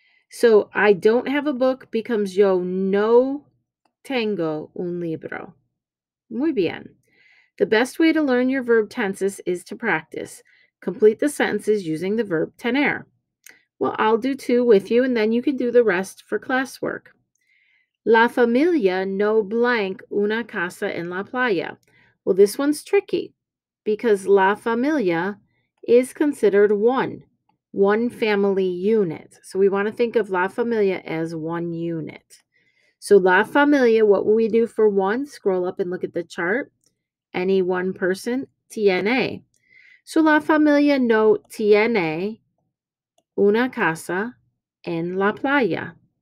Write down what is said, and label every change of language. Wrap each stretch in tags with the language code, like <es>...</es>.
<en>So I don't have a book becomes</en> <es>yo no tengo un libro. Muy bien.</es> <en>The best way to learn your verb tenses is to practice. Complete the sentences using the verb tener. Well, I'll do two with you and then you can do the rest for classwork.</en> <es>La familia no blank una casa en la playa.</es> <en>Well, this one's tricky because la familia is considered one family unit. So we want to think of la familia as one unit. So la familia, what will we do for one? Scroll up and look at the chart. Any one person, TNA.</en> <es>So la familia no TNA una casa en la playa.</es>